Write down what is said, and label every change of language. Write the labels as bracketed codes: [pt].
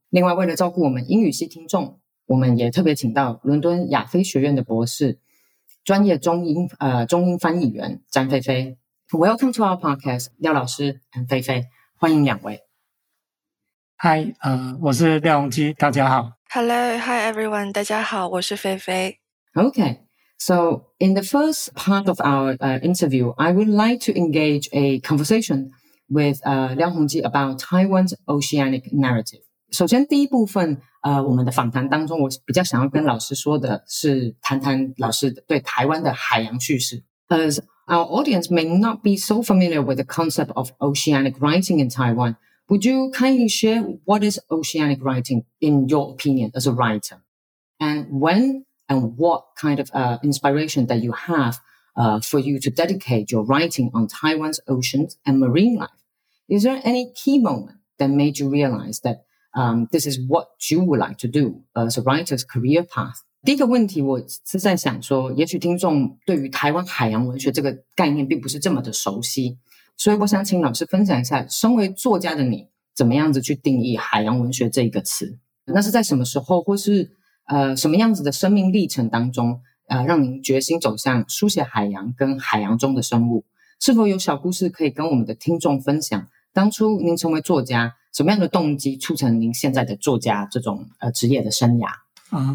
[zh] 另外，为了照顾我们英语系听众，我们也特别请到伦敦亚非学院的博士、专业中英翻译员詹菲菲。 [en] Welcome to our podcast, 廖老师 and 菲菲， [zh] 欢迎两位。 Hi, 我是廖鸿基，大家好。 [en] Hello, hi everyone, [zh] 大家好，我是菲菲。 [en] Okay. So in the first part of our interview, I would like to engage a conversation with Liao Hongji about Taiwan's oceanic narrative. [zh] 首先第一部分我们的访谈当中，我比较想要跟老师说的是谈谈老师对台湾的海洋叙事。 [en] As our audience may not be so familiar with the concept of oceanic writing in Taiwan, would you kindly share what is oceanic writing in your opinion as a writer? And whenand what kind of inspiration that you have for you to dedicate your writing on Taiwan's oceans and marine life. Is there any key moment that made you realize that this is what you would like to do as a writer's career path? [zh] 第一个问题我是在想说，也许听众对于台湾海洋文学这个概念并不是这么的熟悉，所以我想请老师分享一下，身为作家的你怎么样子去定义海洋文学这一个词，那是在什么时候或是什么样子的生命历程当中让您决心走向书写海洋跟海洋中的生物，是否有小故事可以跟我们的听众分享，当初您成为作家什么样的动机促成您现在的作家这种职业的生涯？